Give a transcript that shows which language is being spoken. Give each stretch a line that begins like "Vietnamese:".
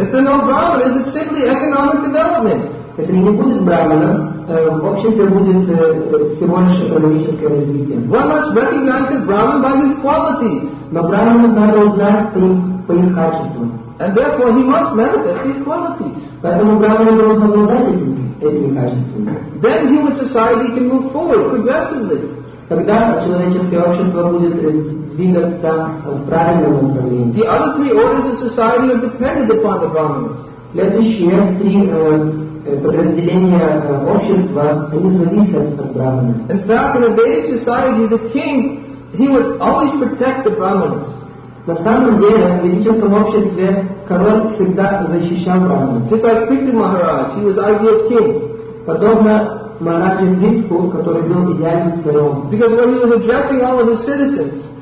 English: If there are no Brahmanas, it's simply economic development.
Russian: Если не будет Брахмана, в обществе будет всего лишь экономическое развитие.
English: One must recognize the Brahman by his qualities.
Russian: Но Брахмана надо узнать по их качеству.
English: And therefore he must manifest these qualities.
Russian: Поэтому Брахмана должен обладать этими качествами.
English: Then human society can move forward progressively.
Russian: Тогда человеческое общество будет двигаться в правильном направлении.
English: The other three orders of society are dependent upon the Brahmanas.
Russian: Следующие три подразделения общества, они зависят от Брахмана.
English: In fact, in a Vedic society, the king, he would always protect the Brahmanas.
Russian: На самом деле, в ведическом обществе король всегда защищал Брахмана.
English: Just like Prithvi Maharaj, he was ideal king.
Russian: Подобно Махараджа Дитху, который был идеальным царем.
English: Because when he was addressing all of his citizens,